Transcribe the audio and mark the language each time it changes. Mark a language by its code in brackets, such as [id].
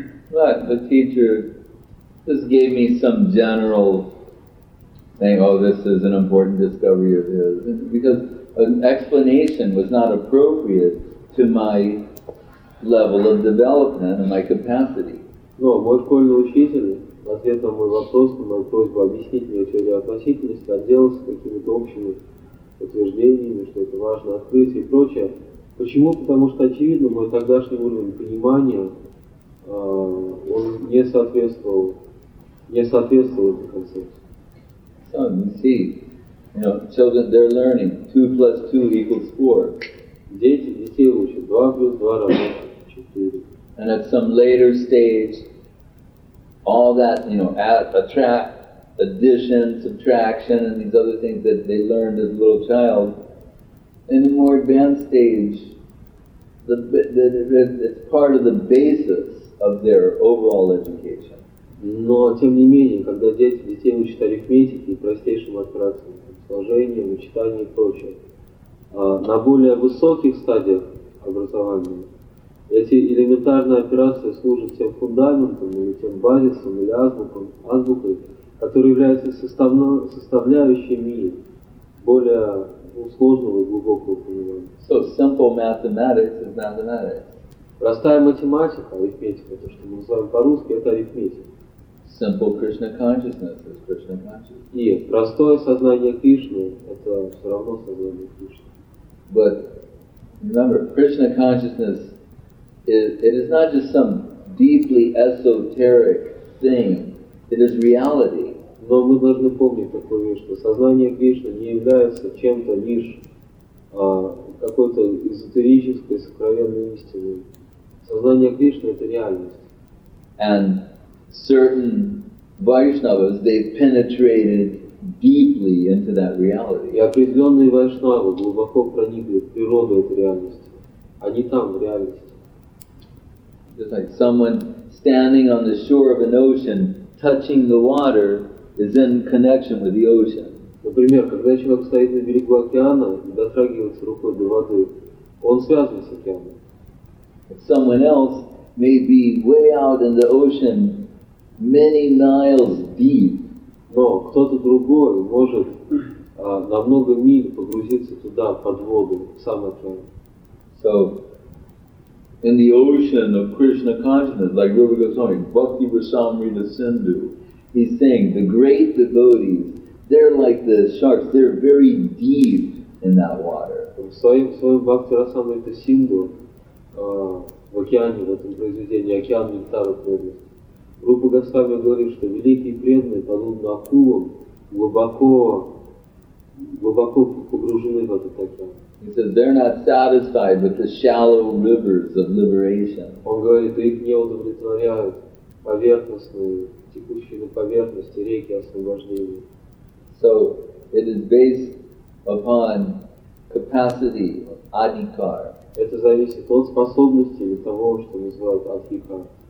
[en] But the teacher just gave me some general thing, oh, this is an important discovery of his, because an explanation was not appropriate to my level of development and my capacity. [ru] Но мой школьный учитель, ответ на мой вопрос, на мою просьбу объяснить мне теорию относительности, отделался какими-то общими утверждениями, что это важное открытие и прочее. Почему? Потому что, очевидно, мой тогдашний уровень понимания, он не соответствовал этой концепции. [en] So, you see, you know, children, they're learning, 2 plus 2 equals 4. [ru] Дети, детей учат, 2 плюс 2 равно 4. [en] And at some later stage, all that, you know, addition, subtraction, and these other things that they learned as a little child, in a more advanced stage, it's part of the basis of their overall education. [ru] Но, тем не менее, когда детей учат арифметике и простейшим операциям, сложением, вычитанием и прочее, на более высоких стадиях образования, эти элементарные операции служат тем фундаментом, или тем базисом, или азбукой, которые являются составляющими более сложного и глубокого понимания. [en] So simple mathematics is mathematics. [ru] Простая математика, арифметика, то, что мы называем по-русски, это арифметика. [en] Simple Krishna consciousness is Krishna consciousness. [ru] И простое сознание Кришны — это все равно сознание Кришны. [en] But remember, Krishna consciousness it is not just some deeply esoteric thing. It is reality. [ru] Но мы должны помнить такую вещь, что сознание Кришны не является чем-то лишь какой-то эзотерической сокровенной истиной. Сознание Кришны — это реальность. [en] And certain Vaishnavas, they penetrated deeply into that reality. [ru] И определенные вайшнавы глубоко проникли в природу этой реальности. Они там, в реальности. [en] Just like someone standing on the shore of an ocean, touching the water, is in connection with the ocean. [ru] Например, когда человек стоит на берегу океана и дотрагивается рукой до воды, он связан с океаном. [en] But someone else may be way out in the ocean, many miles deep. [ru] Но кто-то другой может на много миль погрузиться туда, под воду, в сам океан. [en] So, in the ocean of Krishna consciousness, like Rupa Goswami, Bhakti Vrishamrita Sindhu, he's saying the great devotees, they're like the sharks, they're very deep in that water. [ru] В своем Бхакти Расамрита Синдху, в океане, в этом произведении, океан нектара преданности, Рупа Госвами говорит, что великие преданные, подобно акулам, глубоко погружены в этот океан. [en] He says they're not satisfied with the shallow rivers of liberation. [ru] Он говорит, их не удовлетворяют поверхностные, текущие на поверхности реки освобождения. [en] So it is based upon capacity, adhikar. [ru] Это зависит от способности или того, что называют адхикар.